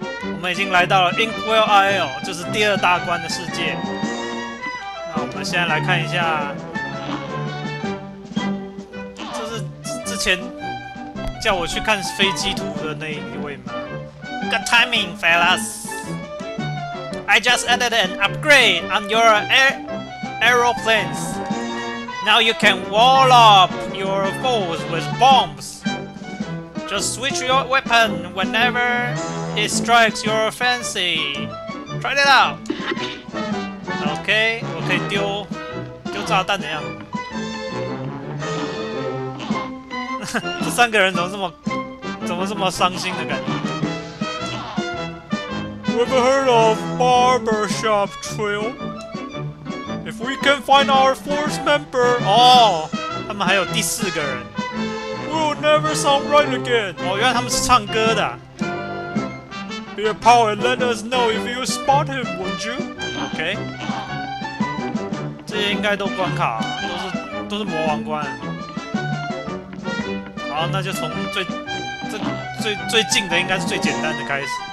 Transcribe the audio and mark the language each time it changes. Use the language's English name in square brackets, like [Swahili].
[Chinese] 我们已经来到了 Inkwell Isle， 就是第二大关的世界。那我们现在来看一下，就是之前叫我去看飞机图的那一位吗 ？ [English] Good timing, fellas. I just added an upgrade on your aeroplanes. Now you can wall up your foes with bombs. Just switch your weapon whenever it strikes your fancy. Try it out. [Chinese] Okay, 我可以丢炸弹的样子。这三个人怎么这么伤心的感觉 [English] ？We've heard of barbershop trail. If we can find our fourth member, [Chinese] 哦，他们还有第四个人。 [English] We'll never sound right again. [Chinese] 哦，原来他们是唱歌的。 [English] Be a pal and let us know if you spot him, won't you? Okay. [Chinese] 这些应该都关卡，都是魔王关。好，那就从最近的，应该是最简单的开始。